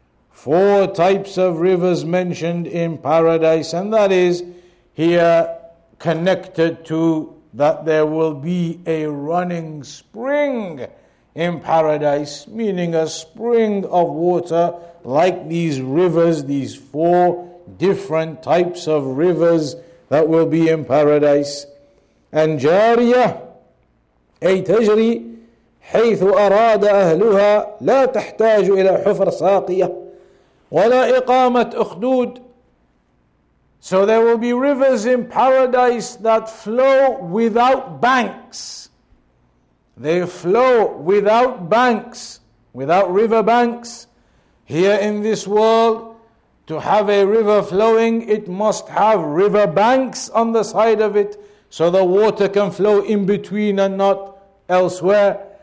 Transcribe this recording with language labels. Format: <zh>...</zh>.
<en>Four types of rivers mentioned in paradise, and that is here connected to that there will be a running spring in paradise, meaning a spring of water like these rivers, these four different types of rivers that will be in paradise. And Jariya,</en> <ar>أي تجري حيث أراد أهلها لا تحتاج إلى حفر ساقية ولا إقامة أخدود.</ar> <en>So there will be rivers in paradise that flow without banks. They flow without banks, without river banks. Here in this world, to have a river flowing, it must have river banks on the side of it, so the water can flow in between and not elsewhere.</en>